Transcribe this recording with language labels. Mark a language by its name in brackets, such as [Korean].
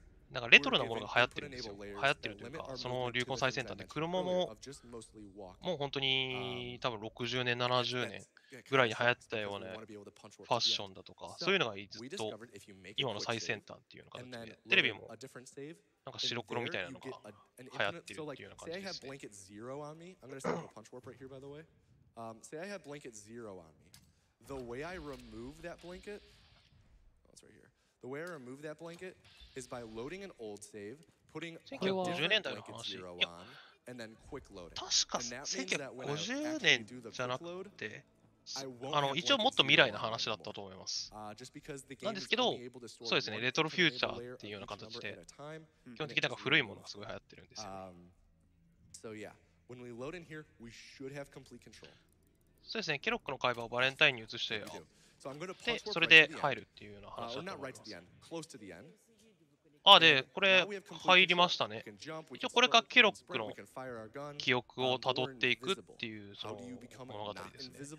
[Japanese] なんかレトロなものが流行ってるんですよ。流行ってるというか、その流行最先端で、車ももう本当に多分60年、70年ぐらいに流行ってたようなファッションだとか、そういうのがずっと今の最先端っていうのがあって、テレビもなんか白黒みたいなのが流行ってるっていうような感じですね。 [English] Is by loading an old save, putting a blanket zero on, and then quick loading. [Japanese] 確か1950年じゃなくて、一応もっと未来の話だったと思います。なんですけど、そうですね、レトロフューチャーっていうような形で、基本的になんか古いものがすごい流行ってるんですよ。 [English] When we load in here, we should have complete control. [Japanese] そうですね、ケロックの会話をバレンタインに移して、でそれで入るっていうような話だったと思います。あ、で、これ入りましたね。一応これがケロックの記憶をたどっていくっていうその物語ですね。